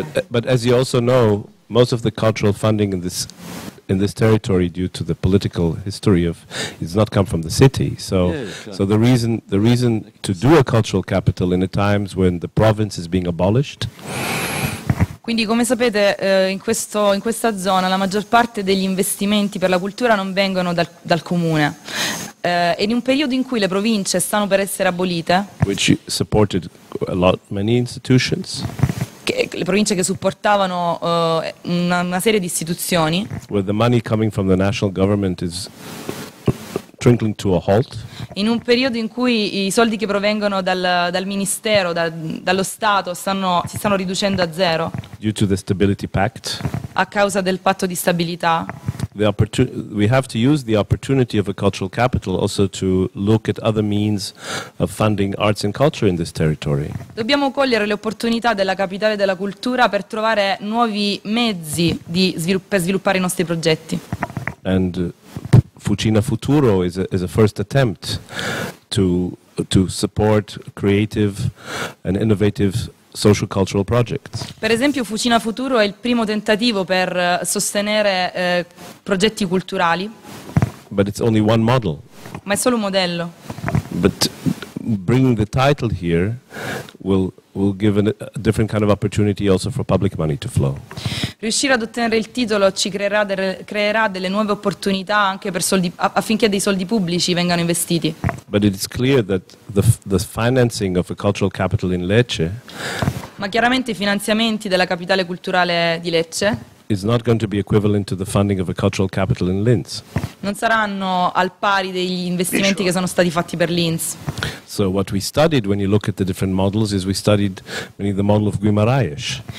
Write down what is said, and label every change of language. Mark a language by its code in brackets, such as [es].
[en] But as you also know, most of the cultural funding in this territory, due to the political history of, it's not come from the city. So, yeah, sure. So the reason to do a cultural capital in a times when the province is being abolished. [it] Quindi, come sapete, in questa zona la maggior parte degli investimenti per la cultura non vengono dal comune. E in un periodo in cui le province stanno per essere abolite, [en] which supported a lot many institutions, [it] che, le province che supportavano una serie di istituzioni, [en] where the money coming from the national government is trickling to a halt, [it] in un periodo in cui i soldi che provengono dal ministero, dallo Stato, si stanno riducendo a zero, [en] due to the stability pact, [it] a causa del patto di stabilità. [en] We have to use the opportunity of a cultural capital also to look at other means of funding arts and culture in this territory. [it] Dobbiamo cogliere le opportunità della capitale della cultura per trovare nuovi mezzi per sviluppare i nostri progetti. [en] And Fucina Futuro is a first attempt to support creative and innovative social cultural projects. [it] Per esempio, Fucina Futuro è il primo tentativo per sostenere progetti culturali. [en] But it's only one model. [it] Ma è solo un modello. [en] But bringing the title here will give a different kind of opportunity also for public money to flow. [it] Riuscire ad ottenere il titolo ci creerà delle nuove opportunità anche per soldi, affinché dei soldi pubblici vengano investiti. [en] But it is clear that the financing of a cultural capital in Lecce, [it] ma chiaramente i finanziamenti della capitale culturale di Lecce, [en] is not going to be equivalent to the funding of a cultural capital in Linz. [it] Non saranno al pari degli investimenti [en] sure. [it] Che sono stati fatti per Linz. [en] So what we studied when you look at the different models is we studied mainly the model of Guimarães.